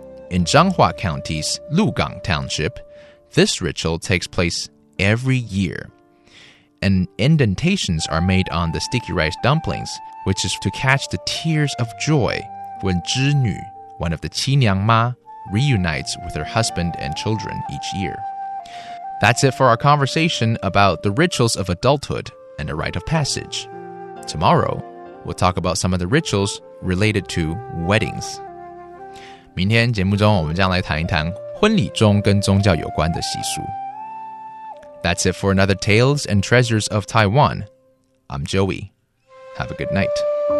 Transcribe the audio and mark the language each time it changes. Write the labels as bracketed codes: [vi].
[en] In Zhanghua County's Lugang Township, this ritual takes place every year, and indentations are made on the sticky rice dumplings, which is to catch the tears of joy when 织女, one of the 七娘妈, reunites with her husband and children each year. That's it for our conversation about the rituals of adulthood and a rite of passage. Tomorrow, we'll talk about some of the rituals related to weddings. [zh] 明天节目中我们将来谈一谈婚礼中跟宗教有关的习俗。 [en] That's it for another Tales and Treasures of Taiwan. I'm Joey. Have a good night.